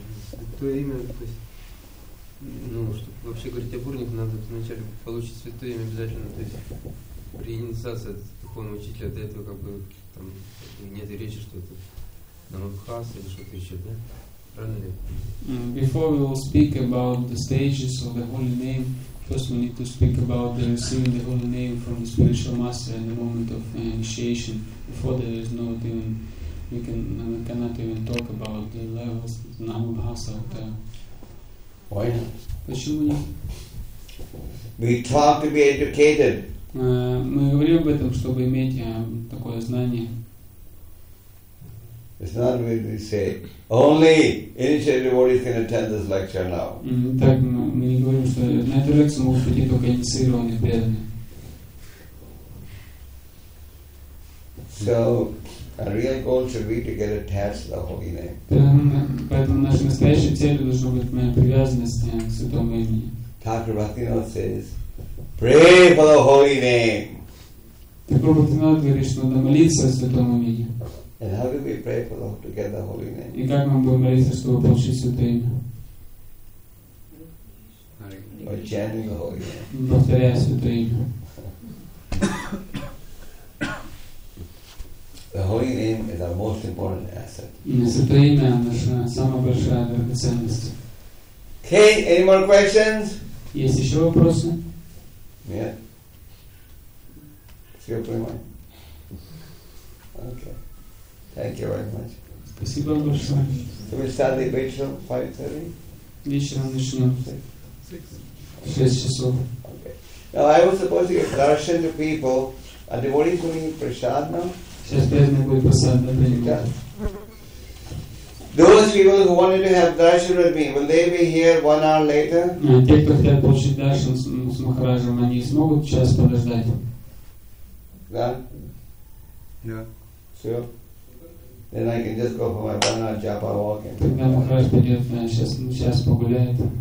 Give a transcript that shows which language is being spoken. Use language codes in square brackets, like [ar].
[ru] Святое имя, то есть, ну, чтобы вообще говорить о бурнике, надо вначале получить святое имя обязательно, то есть при инициации от духовного учителя до этого как бы там нет и речи, что это намабхас или что-то еще, да? Правильно ли? [en] Before we will speak about the stages of the holy name, first we need to speak about the receiving the holy name from the spiritual master in the moment of initiation. Before that, there is no even we cannot even talk about the levels of Namabhasa. Why not? We talk to be educated. [ru] Мы говорим об этом, чтобы иметь такое знание. [en] It's not that we say only initiated devotees can attend this lecture now. [ru] Так мы не говорим, что на эту лекцию могут прийти только инициированные преданные. [en] So a real goal should be to get attached to the holy name. [ru] Поэтому наша настоящая цель должна быть моя привязанность к святому имени. [en] Thakur Bhaktivinoda says, pray for the holy name. [ru] Thakur Bhaktivinoda говорит, что надо молиться о святому имени. [en] And how do we pray for them to get the holy name? [ru] И как нам будем молиться, чтобы получить святое имя? [en] Or chanting the holy name. [ru] Повторяя святое имя. [en] The holy name is our most important asset. [ru] Святое имя наша самая большая драгоценность. [en] Okay, any more questions? [ru] Есть еще вопросы? Нет. Все понимают? [en] Okay. Thank you very much. [ru] Спасибо большое. [en] So we start the vigil 5:30. [ru] Вечером начнем. 6:00. Okay. [en] Now I was supposed to give darshan to people. Are devotees doing prasad now? [ru] Сейчас преданные будут прасад принимать. [en] Those people who wanted to have darshan with me, will they be here 1 hour later? [ru] Те, кто хотят получить даршан с Махараджем, они смогут час подождать. Да? Да. Все. [en] Then I can just go for my 1 hour japa walking. [ru] Тогда Махарадж пойдет, сейчас погуляет.